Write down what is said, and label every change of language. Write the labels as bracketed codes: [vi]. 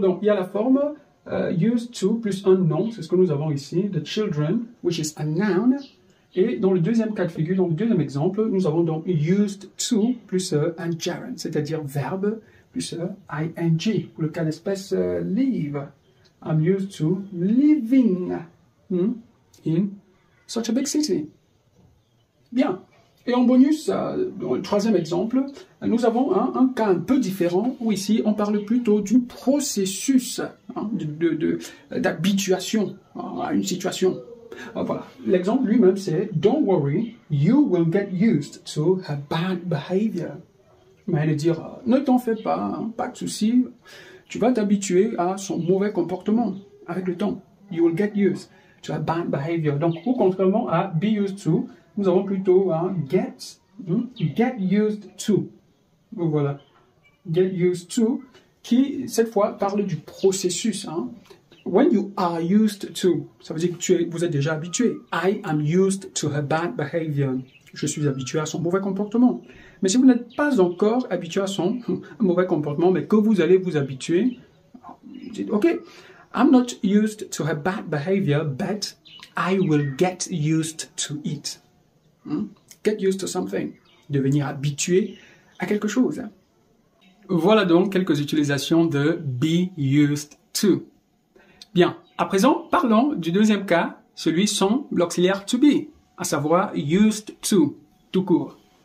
[fr] Donc, il y a la forme used to plus un nom, c'est ce que nous avons ici, the children, [en] which is a noun. [fr] Et dans le deuxième cas de figure, dans le deuxième exemple, nous avons donc used to plus un gerund, c'est-à-dire verbe plus ing, ou le cas d'espèce live. [en] I'm used to living in such a big city. [fr] Bien. Et en bonus, dans le troisième exemple, nous avons un cas un peu différent où ici, on parle plutôt du processus hein, d'habituation à une situation. Voilà. L'exemple lui-même, c'est « [en] Don't worry, you will get used to her bad behavior. [fr] » Mais elle dit « Ne t'en fais pas, hein, pas de souci, tu vas t'habituer à son mauvais comportement avec le temps. [en] You will get used to her bad behavior. [fr] » Donc, ou contrairement à « be used to », nous avons plutôt hein, get used to. Voilà. Get used to, qui cette fois parle du processus. Hein. [en] When you are used to, [fr] ça veut dire que vous êtes déjà habitué. [en] I am used to her bad behavior. [fr] Je suis habitué à son mauvais comportement. Mais si vous n'êtes pas encore habitué à son mauvais comportement, mais que vous allez vous habituer, vous dites OK. [en] I'm not used to her bad behavior, but I will get used to it. [fr] Get used to something, devenir habitué à quelque chose. Voilà donc quelques utilisations de be used to. Bien, à présent, parlons du deuxième cas, celui sans l'auxiliaire to be, à savoir used to, tout court.